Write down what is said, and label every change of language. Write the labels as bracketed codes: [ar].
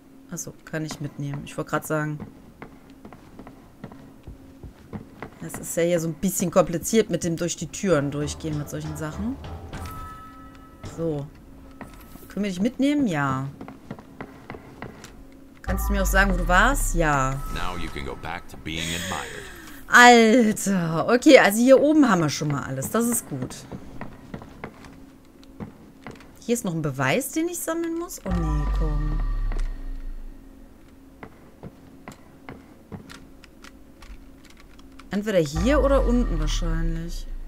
[de] Achso, kann ich mitnehmen. Ich wollte gerade sagen. Das ist ja hier so ein bisschen kompliziert mit dem durch die Türen durchgehen mit solchen Sachen. So. Können wir dich mitnehmen? Ja. Kannst du mir auch sagen, wo du warst? Ja. [en] Now you can go back to being admired. [de] Alter. Okay, also hier oben haben wir schon mal alles. Das ist gut. Hier ist noch ein Beweis, den ich sammeln muss. Oh nee, komm. Entweder hier oder unten wahrscheinlich.